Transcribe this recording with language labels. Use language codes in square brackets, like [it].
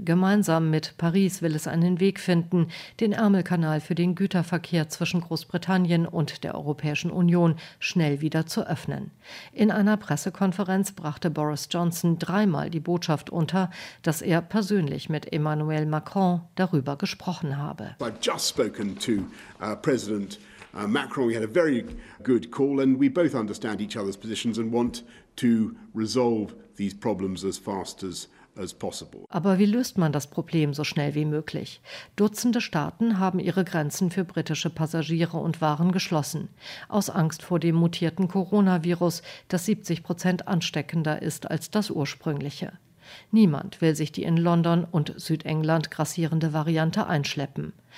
[de] Gemeinsam mit Paris will es einen Weg finden, den Ärmelkanal für den Güterverkehr zwischen Großbritannien und der Europäischen Union schnell wieder zu öffnen. In einer Pressekonferenz brachte Boris Johnson dreimal die Botschaft unter, dass er persönlich mit Emmanuel Macron darüber gesprochen habe. [en] I've just spoken to President Macron. We had a very good call and we both understand each other's positions and want to resolve these problems as fast as possible. [de] Aber wie löst man das Problem so schnell wie möglich? Dutzende Staaten haben ihre Grenzen für britische Passagiere und Waren geschlossen. Aus Angst vor dem mutierten Coronavirus, das 70% ansteckender ist als das ursprüngliche. Niemand will sich die in London und Südengland grassierende Variante einschleppen.